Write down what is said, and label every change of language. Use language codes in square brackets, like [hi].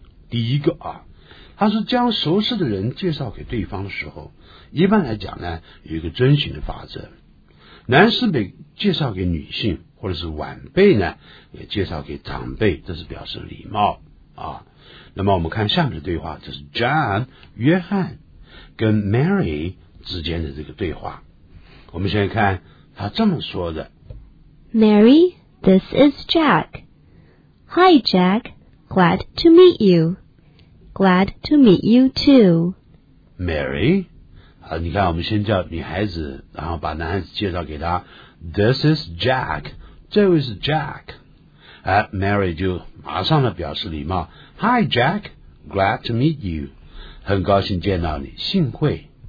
[zh] 第一个啊，他是将熟识的人介绍给对方的时候，一般来讲呢有一个遵循的法则，男士被介绍给女性或者是晚辈呢也介绍给长辈，这是表示礼貌啊。那么我们看下面的对话，这是 John 约翰跟 Mary 之间的这个对话。我们先看他这么说的 [en] Mary this is Jack， Hi JackGlad to meet you. Glad to meet you too. [zh] Mary, 啊，你看，我们先叫女孩子，然后把男孩子介绍给她。 [en] This is Jack. [zh] 这位是 [en] Jack. [zh] 哎、，Mary 就马上的表示礼貌。 [en] Hi, Jack. Glad to meet you. [zh] 很高兴见到你，幸会。